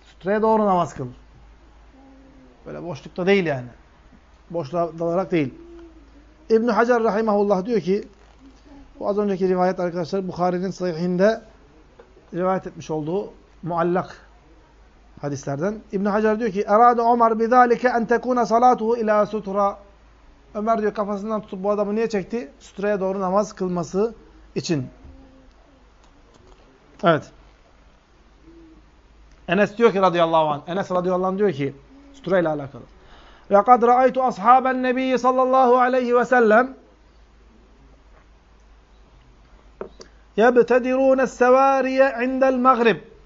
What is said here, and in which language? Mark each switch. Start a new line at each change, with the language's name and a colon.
Turkish: Sütreye doğru namaz kıl. Böyle boşlukta değil yani. Boşluğa dalarak değil. İbn-i Hacer rahimahullah diyor ki, bu az önceki rivayet arkadaşlar Bukhari'nin sahihinde rivayet etmiş olduğu muallak hadislerden. İbn-i Hacer diyor ki,
Arabic: اَرَادَ عُمَرْ بِذَٰلِكَ اَنْ تَكُونَ صَلَاتُهُ اِلَى سُتْرَى.
Turkish: Ömer diyor, kafasından tutup bu adamı niye çekti? Sütreye doğru namaz kılması için. Evet. Enes diyor ki radıyallahu anh, Enes radıyallahu anh diyor ki, sütreyle alakalı.
Arabic: وَقَدْ رَأَيْتُ أَصْحَابَ النَّبِيِّ صَلَّى اللّٰهُ عَلَيْهِ وَسَلَّمْ يَبْتَدِرُونَ السَّوَارِيَ عِنْدَ الْمَغْرِبِ.